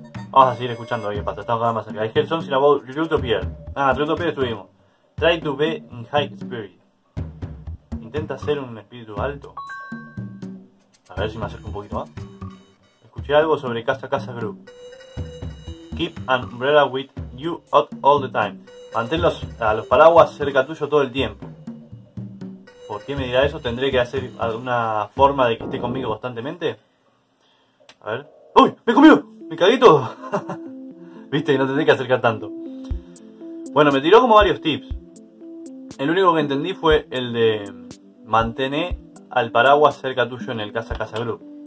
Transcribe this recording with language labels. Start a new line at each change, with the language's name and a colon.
Spanish: Vamos a seguir escuchando ahí, pasa. Estamos cada vez más cerca.
English: I heard something about Rutopier.
Spanish: Ah, Rutopier estuvimos.
English: Try to be in high spirit.
Spanish: Intenta ser un espíritu alto. A ver si me acerco un poquito más. Escuché algo sobre Casa Casa Group.
English: Keep an umbrella with you out all the time.
Spanish: Mantén los paraguas cerca tuyo todo el tiempo. ¿Por qué me dirá eso? ¿Tendré que hacer alguna forma de que esté conmigo constantemente? A ver. ¡Uy! ¡Me comió! ¡Me cagué todo! ¿Viste? No tendré que acercar tanto. Bueno, me tiró como varios tips. El único que entendí fue el de mantener al paraguas cerca tuyo en el Casa Casa Group.